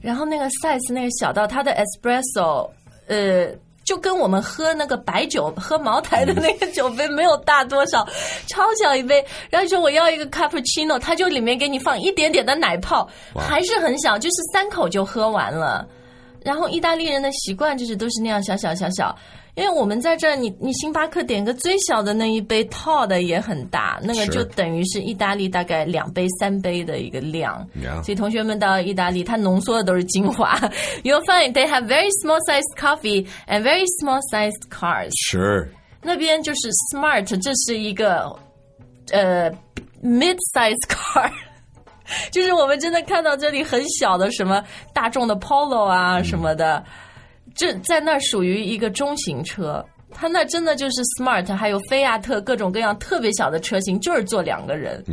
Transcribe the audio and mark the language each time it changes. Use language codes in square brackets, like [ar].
[zh] 然后那个 size 那个小到它的 espresso, 就跟我们喝那个白酒喝茅台的那个酒杯没有大多少，超小一杯，然后说我要一个 cappuccino, 他就里面给你放一点点的奶泡，还是很小，就是三口就喝完了。然后意大利人的习惯就是都是那样小小小小，因为我们在这儿你星巴克点个最小的那一杯套的也很大，那个就等于是意大利大概两杯三杯的一个量、 [en] yeah. [zh] 所以同学们到意大利它浓缩的都是精华。 [en] You'll find they have very small sized coffee and very small sized cars. Sure. [zh] 那边就是 smart, 这是一个 [en] mid sized car, [zh] 就是我们真的看到这里很小的什么大众的 Polo 啊什么的、这在那属于一个中型车，他那真的就是 smart, 还有菲亚特各种各样特别小的车型，就是坐两个人。